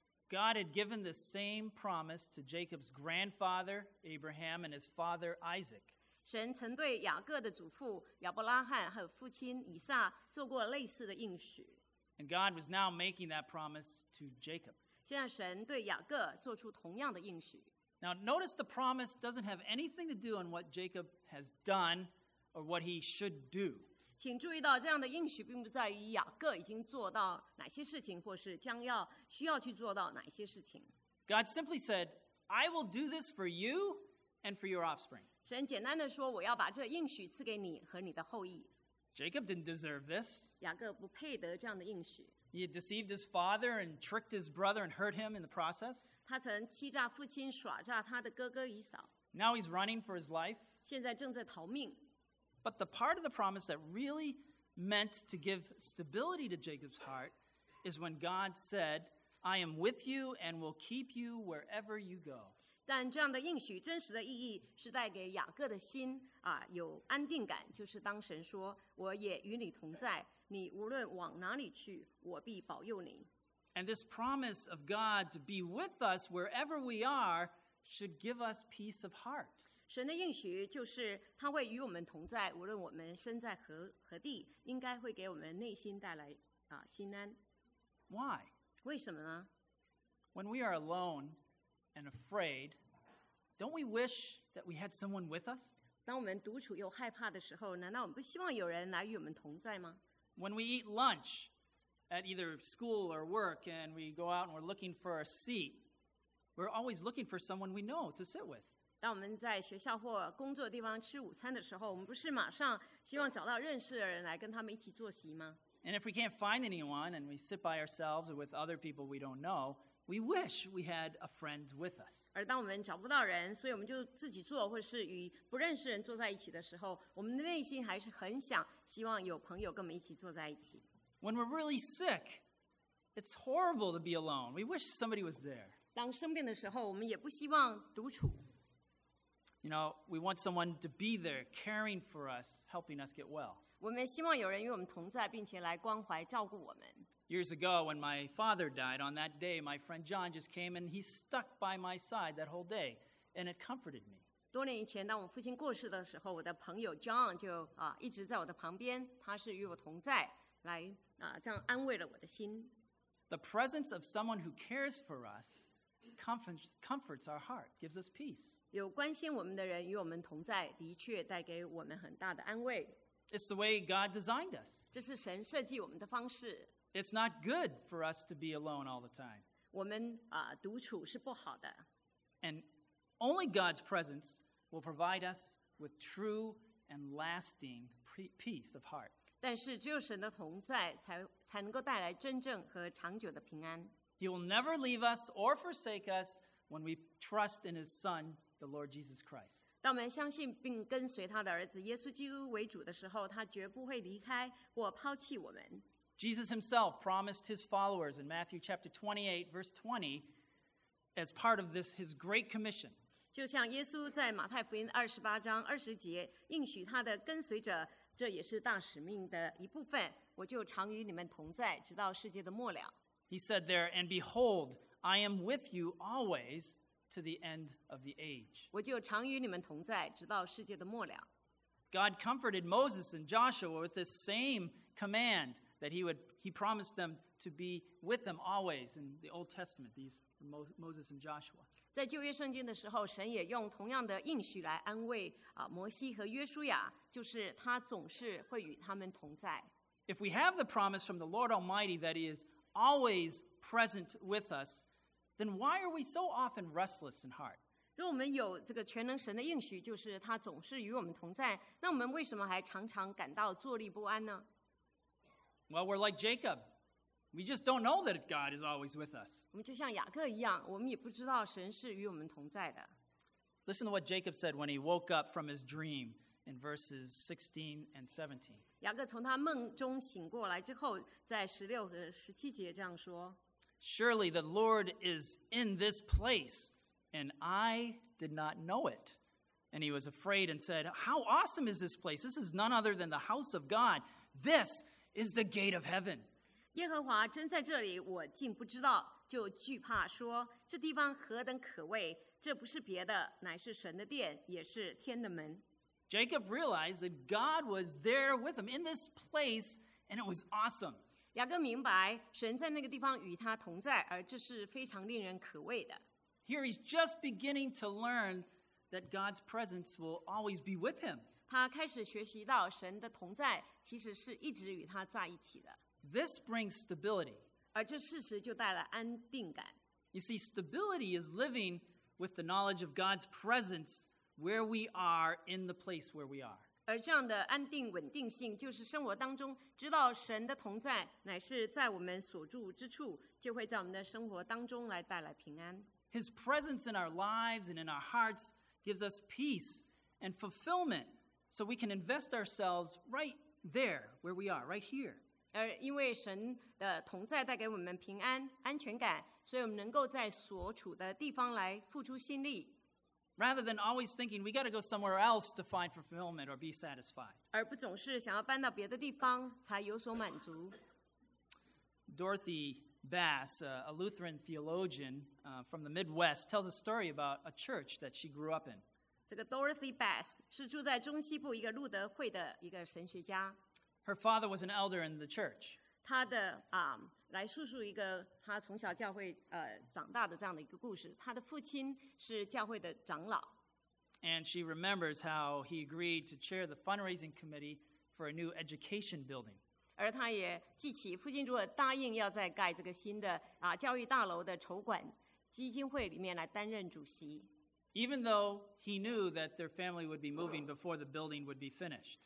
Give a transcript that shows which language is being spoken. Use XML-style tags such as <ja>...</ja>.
<en>God had given the same promise to Jacob's grandfather Abraham and his father Isaac.</en> <zh>神曾对雅各的祖父亚伯拉罕和父亲以撒做过类似的应许。</zh> <en>And God was now making that promise to Jacob.</en> <zh>现在神对雅各做出同样的应许。</zh> <en>Now notice the promise doesn't have anything to do on what Jacob has done or what he should do.</en> <zh>请注意到这样的应许并不在于雅各已经做到哪些事情或是将要需要去做到哪些事情。</zh> <en>God simply said, I will do this for you and for your offspring.</en> <zh>神简单地说我要把这应许赐给你和你的后裔。</zh> <en>Jacob didn't deserve this.</en> <zh>雅各不配得这样的应许。</zh> <en>He had deceived his father and tricked his brother and hurt him in the process.</en> <zh>他曾欺诈父亲耍诈他的哥哥以扫。</zh> <en>Now he's running for his life.</en> <zh>现在正在逃命。</zh> <en>But the part of the promise that really meant to give stability to Jacob's heart is when God said, I am with you and will keep you wherever you go.</en> <zh>但这样的应许真实的意义是带给雅各的心啊有安定感，就是当神说，我也与你同在，你无论往哪里去，我必保佑你。</zh> <en>And this promise of God to be with us wherever we are should give us peace of heart.</en> <zh>神的应许就是他会与我们同在，无论我们身在何地，应该会给我们内心带来啊心安。</zh> <en>Why?</en> <zh>为什么呢？</zh> <en>When we are alone and afraid, don't we wish that we had someone with us?</en> <zh>当我们独处又害怕的时候，难道我们不希望有人来与我们同在吗？</zh> <en>When we eat lunch at either school or work and we go out and we're looking for a seat, we're always looking for someone we know to sit with.</en> <zh>当我们在学校或工作地方吃午餐的时候，我们不是马上希望找到认识的人来跟他们一起坐席吗？</zh> <en>And if we can't find anyone and we sit by ourselves or with other people we don't know, we wish we had a friend with us.</en> <zh>而当我们找不到人，所以我们就自己坐，或是与不认识人坐在一起的时候，我们的内心还是很想希望有朋友跟我们一起坐在一起。</zh> <en>When we're really sick, it's horrible to be alone. We wish somebody was there.</en> <zh>当生病的时候，我们也不希望独处。</zh> <en>You know, we want someone to be there, caring for us, helping us get well.</en> <zh>我们希望有人与我们同在，并且来关怀照顾我们。</zh> <en>Years ago, when my father died, on that day, my friend John just came and he stuck by my side that whole day, and it comforted me.</en> <zh>多年以前，当我父亲过世的时候，我的朋友 John 就啊一直在我的旁边，他是与我同在，来啊这样安慰了我的心。</zh> <en>The presence of someone who cares for us comforts our heart, gives us peace.</en> <zh>有关心我们的人与我们同在，的确带给我们很大的安慰。</zh> <en>It's the way God designed us.</en> <zh>这是神设计我们的方式。</zh> <en>It's not good for us to be alone all the time.</en> <zh>我们独处是不好的。</zh> <en>And only God's presence will provide us with true and lasting peace of heart.</en> <zh>但是只有神的同在才能够带来真正和长久的平安。</zh> <en>He will never leave us or forsake us when we trust in His Son, the Lord Jesus Christ.</en> <zh>当我们相信并跟随他的儿子耶稣基督为主的时候，他绝不会离开或抛弃我们。</zh> <en>Jesus himself promised his followers in Matthew chapter 28, verse 20, as part of this, his great commission.</en> <zh>就像耶稣在马太福音二十八章二十节应许他的跟随者，这也是大使命的一部分。我就常与你们同在，直到世界的末了。</zh> <en>He said there, and behold, I am with you always to the end of the age.</en> <zh>我就常与你们同在，直到世界的末了。</zh> <en>God comforted Moses and Joshua with this same command that he promised them to be with them always in the Old Testament, these Moses and Joshua.</en> <zh>在旧约圣经的时候，神也用同样的应许来安慰摩西和约书亚，就是他总是会与他们同在。</zh> <en>If we have the promise from the Lord Almighty that he is always present with us, then why are we so often restless in heart?</en> <zh>若我们有这个全能神的应许，就是他总是与我们同在，那我们为什么还常常感到坐立不安呢？</zh> <en>Well, we're like Jacob. We just don't know that God is always with us.</en> <zh>我们就像雅各一样，我们也不知道神是与我们同在的。</zh> <en>Listen to what Jacob said when he woke up from his dream in verses 16 and 17.</en> <zh>雅各从他梦中醒过来之后，在十六和十七节这样说。</zh> <en>Surely the Lord is in this place, and I did not know it. And he was afraid and said, How awesome is this place? This is none other than the house of God. This is the gate of heaven.</en> <zh>耶和华真在这里，我竟不知道，就惧怕说，这地方何等可畏，这不是别的，乃是神的殿，也是天的门。</zh> <en>Jacob realized that God was there with him in this place, and it was awesome.</en> <zh>雅各明白神在那个地方与他同在，而这是非常令人可畏的。</zh> <en>Here he's just beginning to learn that God's presence will always be with him.</en> <zh>他开始学习到神的同在其实是一直与他在一起的。</zh> <en>This brings stability.</en> <zh>而这事实就带来安定感。</zh> <en>You see, stability is living with the knowledge of God's presence where we are in the place where we are.</en> <zh>而这样的安定稳定性就是生活当中知道神的同在乃是在我们所住之处就会在我们的生活当中来带来平安。</zh> <en>His presence in our lives and in our hearts gives us peace and fulfillment so we can invest ourselves right there where we are, right here.</en> <zh>而因为神的同在带给我们平安、安全感所以我们能够在所处的地方来付出心力。</zh> <en>Rather than always thinking we got to go somewhere else to find fulfillment or be satisfied.</en> <zh>而不总是想要搬到别的地方才有所满足。</zh> <en>Dorothy Bass, a Lutheran theologian from the Midwest, tells a story about a church that she grew up in.</en> <zh>这个 Dorothy Bass 是住在中西部一个路德会的一个神学家。</zh> <en>Her father was an elder in the church.</en> <zh>她的来述述一个他从小教会长大的这样的一个故事。他的父亲是教会的长老。</zh> <en>And she remembers how he agreed to chair the fundraising committee for a new education building.</en> <zh>而他也记起父亲如果答应要在盖这个新的教育大楼的筹款基金会里面来担任主席。</zh> <en>Even though he knew that their family would be moving before the building would be finished.</en>